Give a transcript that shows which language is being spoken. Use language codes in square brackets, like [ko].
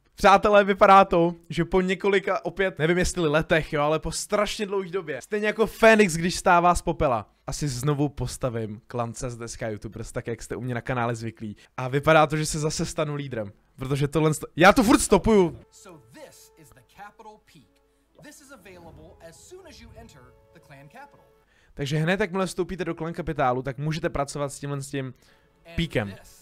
[cs] Přátelé, vypadá to, že po několika opět, nevím jestli letech, jo, ale po strašně dlouhé době, stejně jako Fénix, když stává z popela, asi znovu postavím klan CS deska YouTubers, tak jak jste u mě na kanále zvyklí. A vypadá to, že se zase stanu lídrem, protože tohle já to furt stopuju. [en] So this is the Capital Peak. This is available as soon as you enter the Clan Capital. [cs] Takže hned, jakmile vstoupíte do Clan Kapitálu, tak můžete pracovat s tímhle s tím píkem.